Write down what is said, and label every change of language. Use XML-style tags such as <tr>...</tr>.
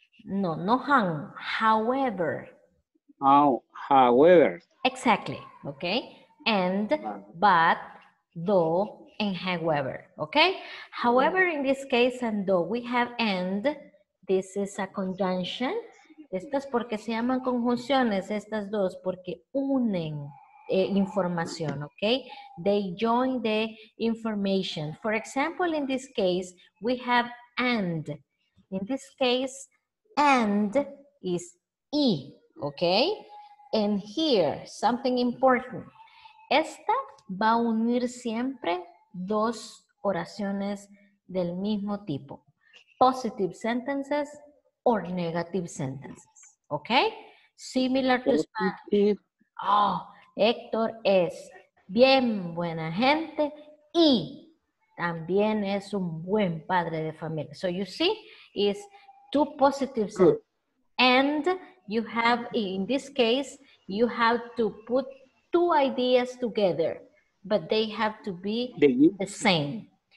<en>no, no, hang, however, oh, however, exactly, okay, and, but, though, and however, okay, however, in this case, and though, we have and, this is a conjunction.</en> <es>Estas porque se llaman conjunciones, estas dos, porque unen información, okay?</es> <en>They join the information. For example, in this case, we have and. In this case, and is E, okay? And here, something important.</en> <es>Esta va a unir siempre dos oraciones del mismo tipo.</es> <en>Positive sentences or negative sentences. Okay, similar to Spanish. Oh,</en> <es>Héctor es bien buena gente y también es un buen padre de familia.</es> <en>So you see, it's two positive sentences. And you have, in this case, you have to put two ideas together, but they have to be the same.</en>